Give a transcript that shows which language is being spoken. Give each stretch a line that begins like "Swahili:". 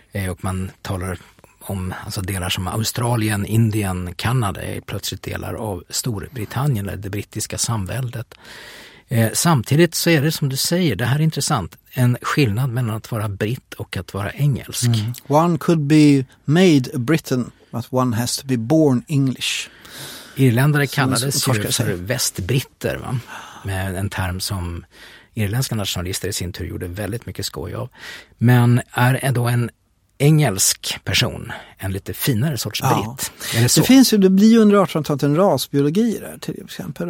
Swedish: Och man talar om alltså delar som Australien, Indien, Kanada är plötsligt delar av Storbritannien eller det brittiska samväldet. Samtidigt så är det som du säger, det här är intressant, en skillnad mellan att vara britt och att vara engelsk. Mm.
English: One could be made a Briton, but one has to be born English.
Swedish: Irländare kallades för västbritter, va? Med en term som irländska nationalister i sin tur gjorde väldigt mycket skoj av. Men är ändå en engelsk person, en lite finare sorts britt. Ja. Det finns ju, det blir ju under 1800-talet en rasbiologi där till exempel.